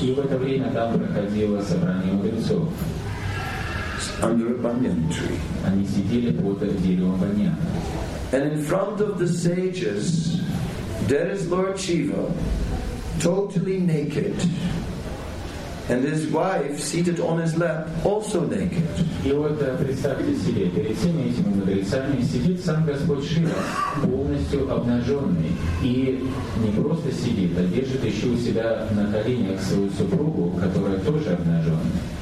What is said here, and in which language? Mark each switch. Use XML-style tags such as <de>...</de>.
<ru>И в это время там проходило собрание мудрецов.</ru> <en>Under a banyan tree.</en> <ru>Они сидели под деревом баньян.</ru> <en>And in front of the sages, there is Lord Shiva, totally naked. And his wife seated on his lap, also naked.</en> <ru>И вот представьте себе, перед всеми этими мудрецами сидит сам Господь Шива, полностью обнаженный, и не просто сидит, а держит еще у себя на коленях свою супругу, которая тоже обнаженная.</ru>